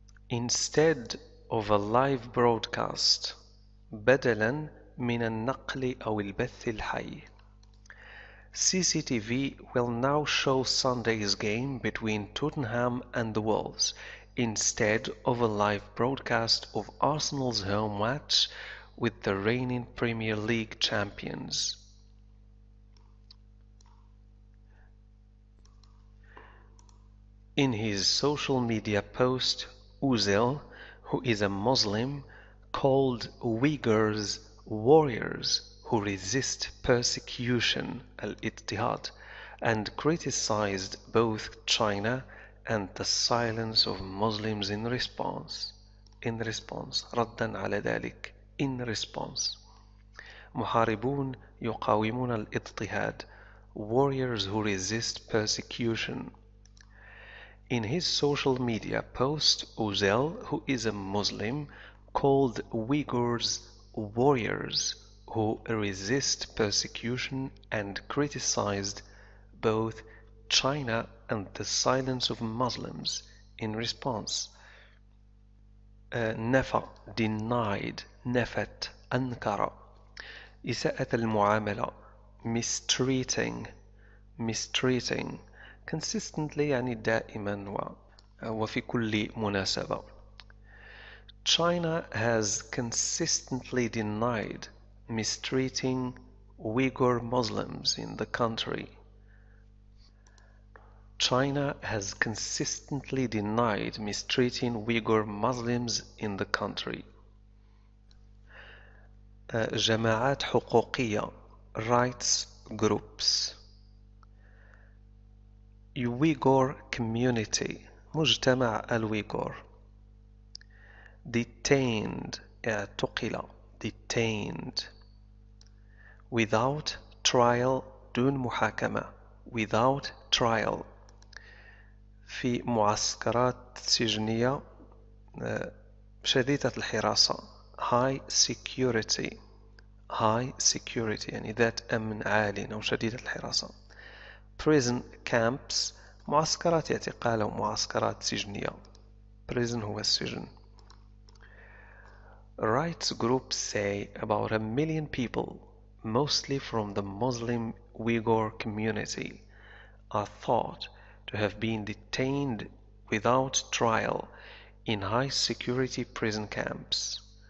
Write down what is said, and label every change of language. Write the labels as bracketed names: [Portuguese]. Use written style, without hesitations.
[English] Instead of a live broadcast, بدلاً من النقل أو البث الحي. CCTV will now show Sunday's game between Tottenham and the Wolves instead of a live broadcast of Arsenal's home match with the reigning Premier League champions. In his social media post, Ozil, who is a Muslim, called Uyghurs warriors who resist persecution al-ittihad and criticized both China and the silence of Muslims in response ردًا على ذلك in response. [Arabic] محاربون يقاومون الاضطهاد. [English] Warriors who resist persecution. In his social media post, Ozil, who is a Muslim, called Uyghurs warriors who resist persecution and criticized both China and the silence of Muslims in response. [Arabic] نفى denied نفت أنكر إساءة المعاملة mistreating mistreating consistently يعني دائما وفي كل مناسبة. [English] China has consistently denied mistreating Uyghur Muslims in the country. China has consistently denied mistreating Uyghur Muslims in the country. [Arabic] جماعات حقوقية rights groups. [English] Uyghur community مجتمع الويغور. Detained اعتقل detained. Without trial دون محاكمة without trial. [Arabic] في معسكرات سجنية شديدة الحراسة high security. High security يعني ذات أمن عالي أو شديدة الحراسة. Prison camps معسكرات اعتقال أو معسكرات سجنية. Prison هو السجن. [English] Rights groups say about a million people, mostly from the Muslim Uyghur community, are thought to have been detained without trial in high security prison camps.